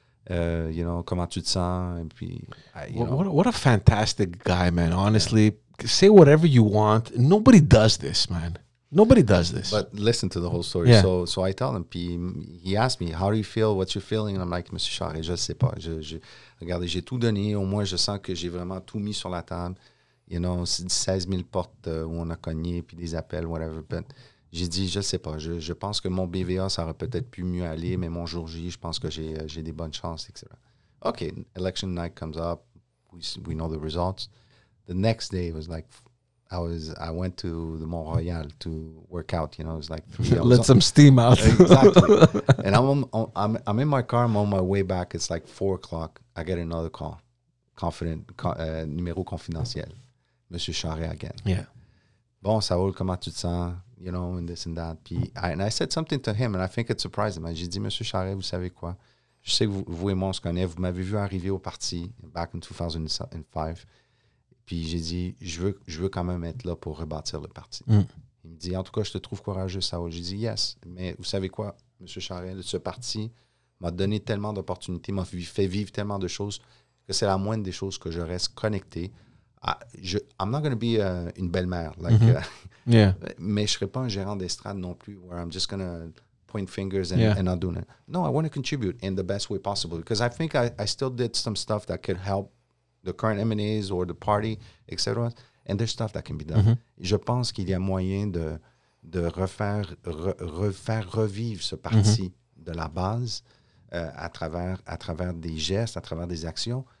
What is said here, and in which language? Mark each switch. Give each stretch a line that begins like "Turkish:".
English: You know,
French: comment tu te sens?
English: And
French: puis,
English: what a fantastic guy, man. Honestly, say whatever you want. Nobody does this, man. Nobody does this. But listen to the whole story. Yeah. So I tell him, he asked me, how do you feel? What's your feeling? And I'm like, Monsieur Charest,
French: je sais pas. Regardez, j'ai tout donné. Au moins, je sens que j'ai vraiment tout mis sur la table.
English: You know,
French: 16 000 portes où on a cogné, puis des appels,
English: whatever. But
French: j'ai dit, je ne sais pas, je pense que mon BVA, ça aurait peut-être pu mieux aller, mais mon jour J, je pense que j'ai des bonnes chances, etc.
English: OK, election night comes up, we know the results. The next day, it was like, I went to the Mont-Royal to work out, you know, it was like 3 hours. Let some steam out. Exactly. And I'm in my car, I'm on my way back, it's like 4 o'clock, I get another call,
French: numéro confidentiel,
English: Monsieur Charest again. Yeah.
French: Bon, Saul, comment tu te sens?
English: you know, and this and that.
French: Puis
English: I said something to him, and I think it surprised him.
French: J'ai dit, Monsieur Charest, vous savez quoi? Je sais que vous et moi, on se connaît. Vous m'avez vu arriver au parti
English: back in 2005.
French: Puis j'ai dit, je veux quand même être là pour rebâtir le parti. Il me dit, en tout cas, je te trouve courageux, Saul. J'ai dit,
English: yes.
French: Mais vous savez quoi, Monsieur Charest, ce parti m'a donné tellement d'opportunités, m'a fait vivre tellement de choses que c'est la moindre des choses que je reste connecté.
English: I'm not going to be
French: une belle-mère. Mais je ne serai pas un gérant d'estrade non plus
English: where I'm just going to point fingers and not doing it. No, I want to contribute in the best way possible because I think I still did some stuff that could help the current MNAs or the party, etc. And there's stuff that can be done. Mm-hmm.
French: Je pense qu'il y a moyen de refaire revivre ce parti de la base à travers des gestes, à travers des actions.